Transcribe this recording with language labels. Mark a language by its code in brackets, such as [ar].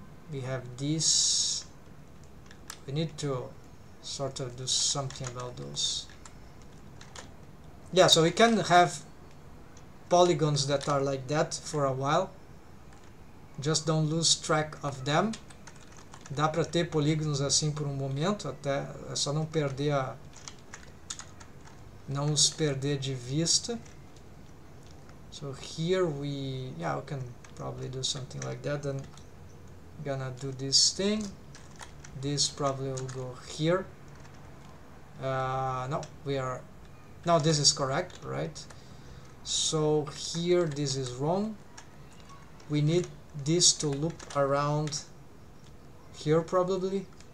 [en] We have this, we need to sort of do something about those. Yeah, so we can have polygons that are like that for a while, just don't lose track of them. [pt] Dá pra ter polígonos assim por momento, até é só não perder a, não os perder de vista. [en] So here we, yeah, we can probably do something like that. Then gonna do this thing, this probably will go here. No, we are, now this is correct, right? So here this is wrong, we need this to loop around here probably.